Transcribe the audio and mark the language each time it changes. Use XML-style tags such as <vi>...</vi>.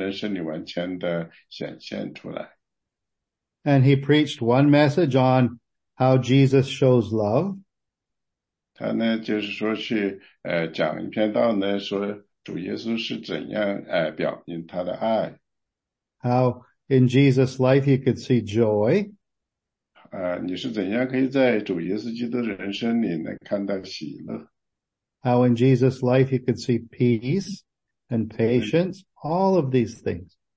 <zh>他呢，在那里呢，他把这所有的每一个呢，就是说是你所结的果子呢，就是说是在基督的身体里呢，完全的基督的人生里完全的显现出来。</zh> <en>And he preached one message on how Jesus shows love.</en> <zh>他呢，就是说去讲一篇道呢，说主耶稣是怎样表明他的爱。</zh> <en>How in Jesus' life you could see joy.</en> <zh>你是怎样可以在主耶稣基督的人生里呢看到喜乐。</zh> <en>How in Jesus' life you could see peace and patience, all of these things.</en>